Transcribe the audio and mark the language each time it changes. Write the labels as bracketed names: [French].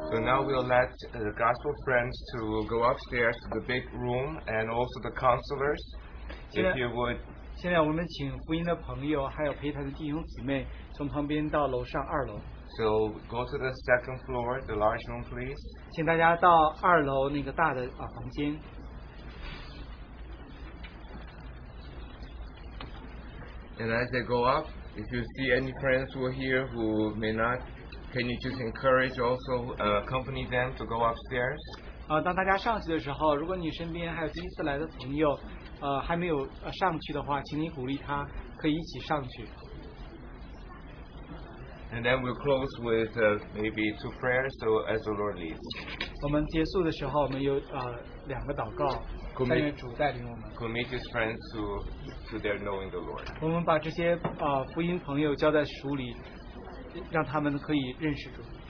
[English] To go upstairs to the big room and also the counselors, [Chinese] 现在, [English] if you would. [Chinese] 现在我们请福音的朋友还有陪谈的弟兄姊妹从旁边到楼上二楼。 [English] So go to the second floor, the large room, please. [Chinese] 请大家到二楼那个大的房间。 [English] And as they go up, if you see any friends who are here who may not, can you just encourage also accompany them to go upstairs? [Chinese] 当大家上去的时候，如果你身边还有第一次来的朋友，还没有上去的话，请你鼓励他，可以一起上去。 [English] And then we'll close with maybe two prayers, so as the Lord leads. [Chinese] 我们结束的时候，我们有两个祷告。 [English] Commit his friends to their knowing the Lord. [Chinese] 我们把这些福音朋友交在主里，让他们可以认识主。